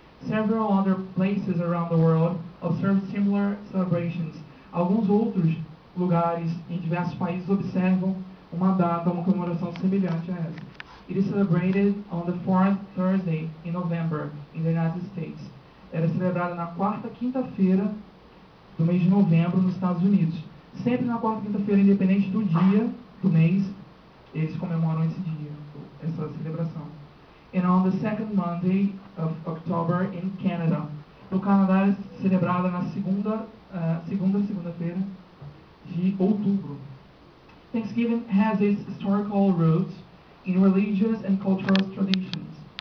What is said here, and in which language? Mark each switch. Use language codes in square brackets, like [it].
[en] Several other places around the world observe similar celebrations. [pt] Alguns outros lugares em diversos países observam uma data, uma comemoração semelhante a essa. [en] It is celebrated on the fourth Thursday in November in the United States. [pt] Era celebrada na quarta quinta-feira do mês de novembro nos Estados Unidos. Sempre na quarta quinta-feira, independente do dia, do mês, eles comemoram esse dia, essa celebração. [en] And on the second Monday of October in Canada. [pt] No Canadá, é celebrada na segunda-feira de outubro. [en] Thanksgiving has its historical roots in religious and cultural traditions.